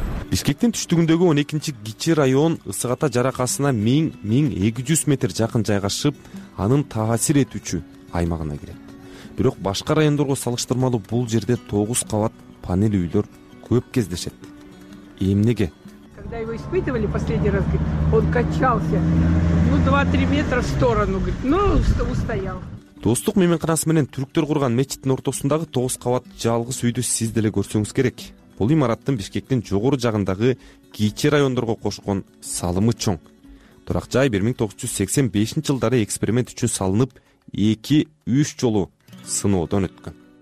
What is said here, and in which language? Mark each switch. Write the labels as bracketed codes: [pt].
[ky] Бишкектин түштүгүндөгү 12-чи кичи район ысык ата жаракасына 1000-1200 метр жакын жайгашып, анын таасир этүүчү аймагына кирет. Бирок башка райондорго салыштырмалуу бул жерде 9 кабат панель үйлөр көп кездешет. Эмнеге? [ru] Когда его испытывали последний раз, он качался. 2-3 метра в сторону, устоял. [ky] Достук мейманканасы менен түрктөр курган мечиттин ортосундагы 9 кабат жалгыз үйдү сиз деле көрсөңүз керек. Бул имараттын Бишкектин жогору жагындагы кичи райондорго кошкон салымы чоң. Турак жай 1985 жылдары эксперимент үчүн салынып, 2-3 жолу сыноодон өткөн.